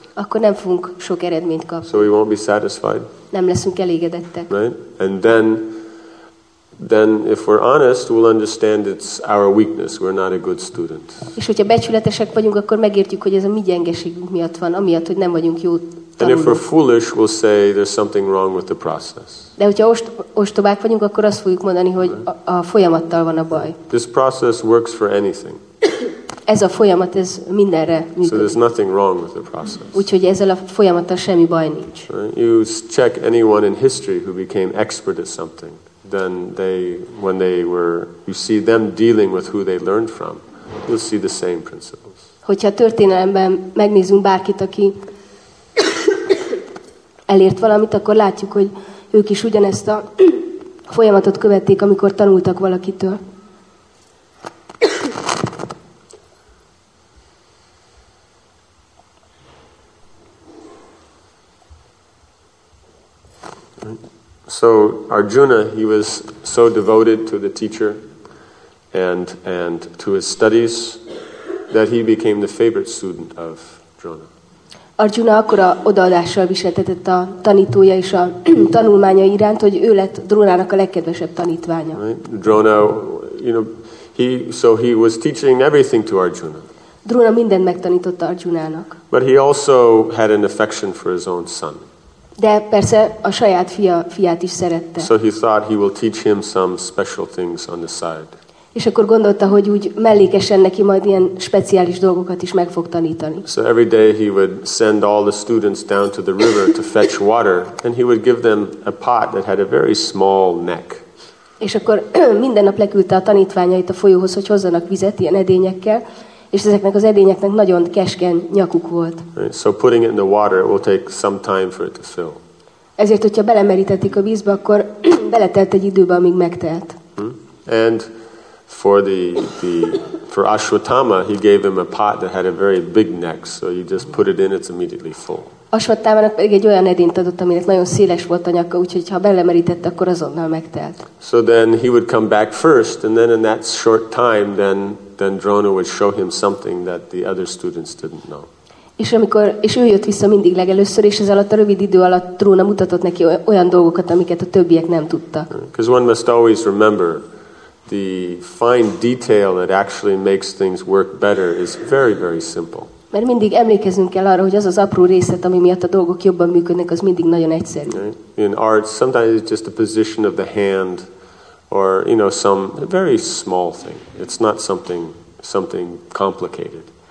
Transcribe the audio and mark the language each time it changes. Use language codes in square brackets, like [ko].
[hu] Akkor nem fogunk sok eredményt kapni. [en] So we won't be satisfied. [hu] Nem leszünk elégedettek. [en] Right? And then if we're honest, we'll understand it's our weakness. We're not a good student. [hu] És hogyha becsületesek vagyunk, akkor megértjük, hogy ez a mi gyengeségünk miatt van, amiatt, hogy nem vagyunk jó tanulók. [en] And if we're foolish, we'll say there's something wrong with the process. [hu] De hogyha ostobák vagyunk, akkor azt fogjuk mondani, hogy a folyamattal van a baj. [en] This process works for anything. [hu] Ez a folyamat, ez mindenre működik. [en] So there's nothing wrong with the process. [hu] Úgyhogy ezzel a folyamattal semmi baj nincs. [en] You check anyone in history who became expert at something, then they, when they were, you see them dealing with who they learned from, you'll see the same principles. [hu] Hogyha történelemben megnézünk bárkit, aki elért valamit, akkor látjuk, hogy ők is ugyanezt a folyamatot követték, amikor tanultak valakitől. [en] So Arjuna, he was so devoted to the teacher and to his studies that he became the favorite student of Drona. [hu] Arjuna akkora odaadással viseltetett a tanítója és a tanulmánya iránt, hogy ő lett Drónának a legkedvesebb tanítványa. [en] Right? Drona, you know, he was teaching everything to Arjuna. [hu] Drona mindent megtanította Arjunának. [en] But he also had an affection for his own son. [hu] De persze a saját fiát is szerette. [en] So he thought he will teach him some special things on the side. [hu] És akkor gondolta, hogy úgy mellékesen neki majd ilyen speciális dolgokat is meg fog tanítani. [en] So every day he would send all the students down to the river to fetch water, and he would give them a pot that had a very small neck. [hu] És akkor minden nap leküldte a tanítványait a folyóhoz, hogy hozzanak vizet ilyen edényekkel, és ezeknek az edényeknek nagyon keskeny nyakuk volt. [en] Right. So putting it in the water, it will take some time for it to fill. [hu] Ezért, hogyha belemerítették a vízbe, akkor beletelt egy időbe, amíg megtelt. [en] And for Ashwatthama, he gave him a pot that had a very big neck, so you just put it in, it's immediately full. [hu] Ashwatthamának pedig egy olyan edényt adott, aminek nagyon széles volt a nyaka, úgyhogy ha belemerítette, akkor azonnal megtelt. [en] So then he would come back first, and then in that short time, then Drona would show him something that the other students didn't know. [hu] És amikor és ő jött vissza mindig legelőször, és ez alatt a rövid idő alatt Drona mutatott neki olyan dolgokat, amiket a többiek nem tudtak. [en] Because one must always remember the fine detail that actually makes things work better is very, very simple. [hu] Mert mindig emlékezünk kell arra, hogy az az apró részlet, ami miatt a dolgok jobban működnek, az mindig nagyon egyszerű. [en] Right. In art, sometimes it's just the position of the hand, or you know, some very small thing. It's not something complicated.